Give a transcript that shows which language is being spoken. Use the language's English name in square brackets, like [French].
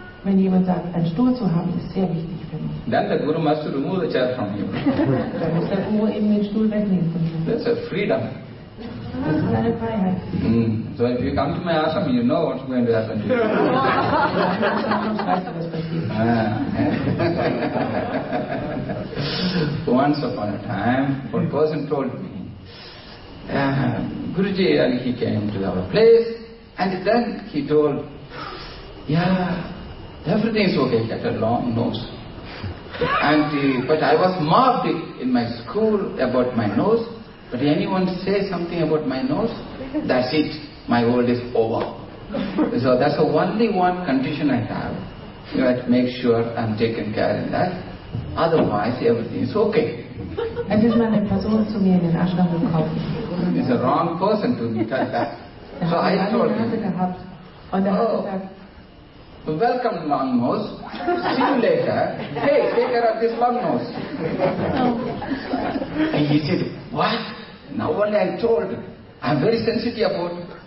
[German] Wenn jemand sagt, einen Stuhl zu haben, ist sehr wichtig für mich. [English] Then the guru must remove the chair from him. [German] Dann muss der Guru eben den Stuhl wegnehmen von ihm. [English] That's a freedom. [German] Das ist eine Freiheit. [English] So if you come to my ashram, you know what's going to happen to you. [German] Wenn du zum Ashram kommst, weißt du, was passiert. [English] Once upon a time, one person told me, Guruji, and he came to our place, and then he told, yeah, everything is okay, he had a long nose. And but I was mocked in my school about my nose, but anyone say something about my nose, that's it, my world is over. So that's the only one condition I have, you have to make sure I'm taken care of that. Otherwise, everything is okay. [German] Es ist mal eine Person zu mir in den Ashram gekommen. [English] It's a wrong person to meet like that. So I told him. [German] Hat gesagt, [English] welcome long nose. See you later. Hey, take care of this long nose. And he said, what? Now only I told. I'm very sensitive about it.